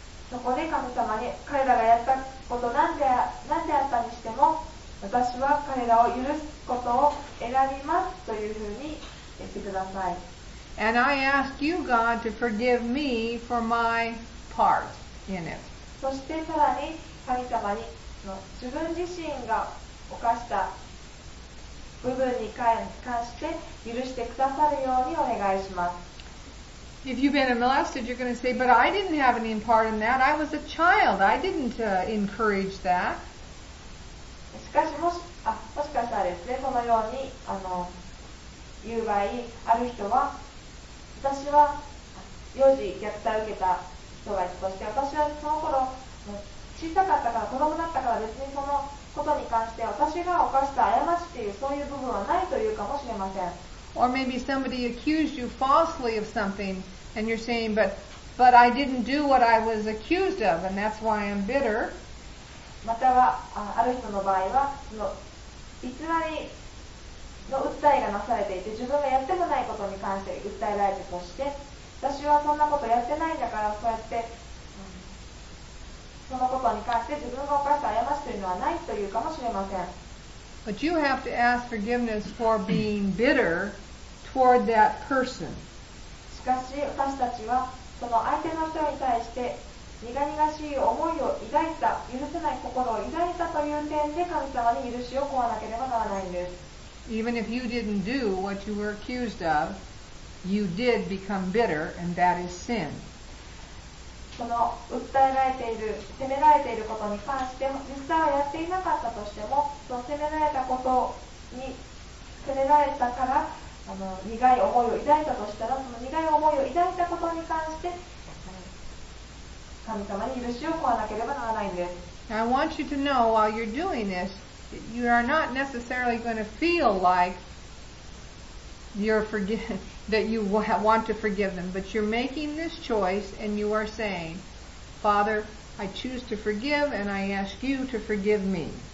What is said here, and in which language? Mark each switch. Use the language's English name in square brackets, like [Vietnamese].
[Japanese] そこで神様に彼らがやったこと何であったにしても、私は彼らを許すことを選びますというふうに言ってください。 [English] And I ask you, God, to forgive me for my part in it. [Japanese] そしてさらに神様に自分自身が犯した部分に関して許してくださるようにお願いします。 [English] If you've been molested, you're going to say, but I didn't have any part in that. I was a child. I didn't encourage that. [Japanese] しかしもしかしたらですね、このように言う場合、ある人は、私は幼児虐待を受けた人がいたとして、私はその頃、小さかったから、子供だったから別にそのことに関して、私が犯した過ちっていう、そういう部分はないというかもしれません。 [English] Or maybe somebody accused you falsely of something and you're saying, but I didn't do what I was accused of and that's why I'm bitter. [Japanese] またはある人の場合は、偽りの訴えがなされていて、自分がやってもないことに関して訴えられたとして、私はそんなことやってないんだから、そうやって、そのことに関して自分が犯した過ちというのはないというかもしれません。 [English] But you have to ask forgiveness for being bitter toward that person. [Japanese] しかし私たちはその相手の人に対して苦々しい思いを抱いた、許せない心を抱いたという点で神様に許しを請わなければならないんです。 [English] Even if you didn't do what you were accused of, you did become bitter and that is sin. [Japanese] その訴えられている、責められていることに関しても、実際はやっていなかったとしても、その責められたことに、責められたから、苦い思いを抱いたとしたら、その苦い思いを抱いたことに関して、神様に許しを請わなければならないんです。 [English] Now, I want you to know while you're doing this, you are not necessarily going to feel like you're forgiven. That you want to forgive them, but you're making this choice and you are saying, Father, I choose to forgive and I ask you to forgive me.